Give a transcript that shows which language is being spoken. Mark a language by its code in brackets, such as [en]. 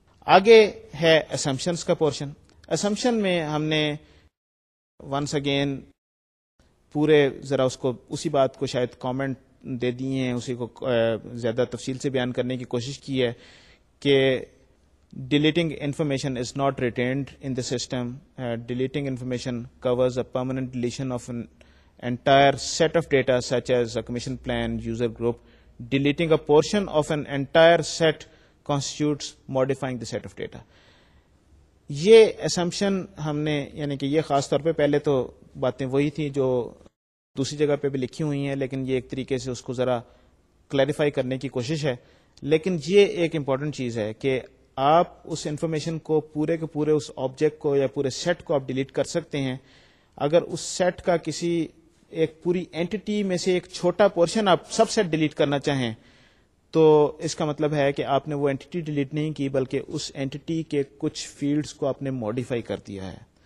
[ur] آگے ہے اسمپشنز کا پورشن. اسمپشن میں ہم نے ونس اگین پورے ذرا اس کو اسی بات کو شاید کامنٹ دے دی ہیں, اسی کو زیادہ تفصیل سے بیان کرنے کی کوشش کی ہے کہ [en] Deleting information is not retained in the system, deleting information covers a permanent deletion of entire set of data such as a commission plan, user group. Deleting a portion of an entire set constitutes modifying the set of data. [ur] یہ assumption ہم نے, یعنی کہ یہ خاص طور پہ پہلے تو باتیں وہی تھیں جو دوسری جگہ پہ بھی لکھی ہوئی ہیں, لیکن یہ ایک طریقے سے اس کو ذرا کلیریفائی کرنے کی کوشش ہے. لیکن یہ ایک امپورٹنٹ چیز ہے کہ آپ اس انفارمیشن کو پورے کے پورے اس آبجیکٹ کو یا پورے سیٹ کو آپ ڈیلیٹ کر سکتے ہیں اگر اس سیٹ کا کسی ایک پوری اینٹی میں سے ایک چھوٹا پورشن آپ سب سیٹ ڈیلیٹ کرنا چاہیں, تو اس کا مطلب ہے کہ آپ نے وہ اینٹی ڈیلیٹ نہیں کی بلکہ اس اینٹی کے کچھ فیلڈز کو آپ نے ماڈیفائی کر دیا ہے.